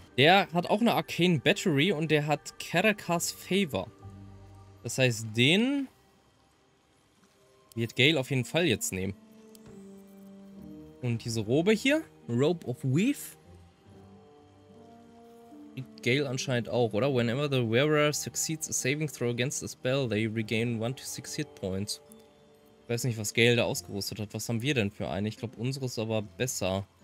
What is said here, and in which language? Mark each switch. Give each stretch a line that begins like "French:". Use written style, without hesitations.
German: Der hat auch eine Arcane Battery und der hat Karakas Favor. Das heißt, den wird Gale auf jeden Fall jetzt nehmen. Und diese Robe hier, Rope of Weave, Gale anscheinend auch, oder?
English: Whenever the wearer succeeds a saving throw against a spell, they regain 1-6 hit points.
German: Ich weiß nicht, was Gale da ausgerüstet hat. Was haben wir denn für eine? Ich glaube, unsere ist aber besser.